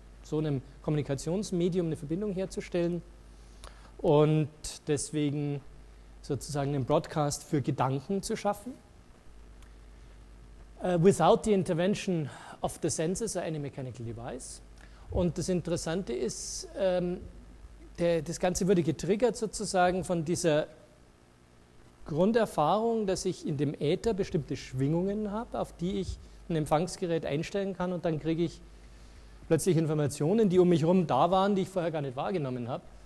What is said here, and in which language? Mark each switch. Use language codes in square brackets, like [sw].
[de] so einem Kommunikationsmedium eine Verbindung herzustellen und deswegen sozusagen einen Broadcast für Gedanken zu schaffen. [en] Without the intervention of the senses or any mechanical device. [de] Und das Interessante ist, das Ganze wurde getriggert sozusagen von dieser Grunderfahrung, dass ich in dem Äther bestimmte Schwingungen habe, auf die ich ein Empfangsgerät einstellen kann und dann kriege ich plötzlich Informationen, die um mich herum da waren, die ich vorher gar nicht wahrgenommen habe.